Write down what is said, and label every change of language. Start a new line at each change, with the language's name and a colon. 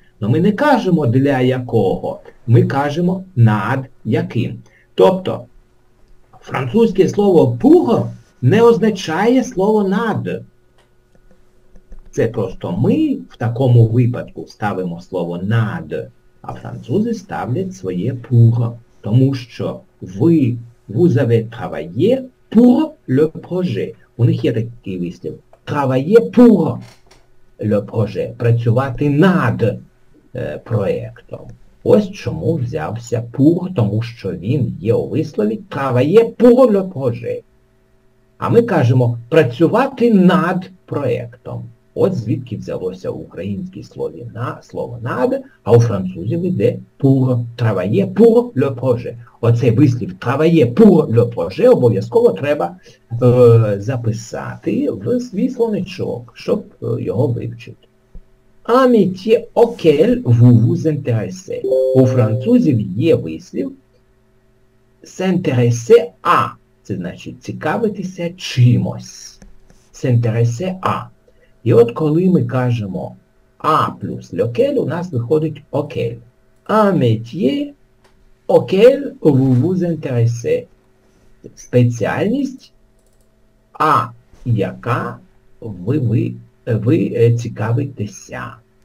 Ukrainian: Но ми не кажемо «для якого», ми кажемо «над яким». Тобто, французьке слово «pour» не означає слово «над». Це просто ми в такому випадку ставимо слово «над», а французи ставлять своє «pour». Тому що ви,
French: «vous avez travaillé pour le projet».
Ukrainian: У них є такий вислів.
French: «Travaillé pour le projet».
Ukrainian: Працювати над проєктом. Ось чому взявся «pour», тому що він є у вислові
French: «travaillé pour le projet».
Ukrainian: А ми кажемо «працювати над проєктом». От звідки взялося в українській слові слово «над», а у французів іде «pour»,
French: «travaillé pour le projet».
Ukrainian: Оцей вислів
French: «travaillé pour le projet»
Ukrainian: обов'язково треба записати в свій словничок, щоб його вивчити.
French: «Amitié auquel vous vous intéressez».
Ukrainian: У французів є вислів
French: S'interesser à,
Ukrainian: це значить цікавитися чимось.
French: S'interesser à.
Ukrainian: І от коли ми кажемо à плюс lequel, у нас виходить auquel.
French: Un métier auquel vous vous intéressez.
Ukrainian: Спеціальність, а яка ви цікавитеся.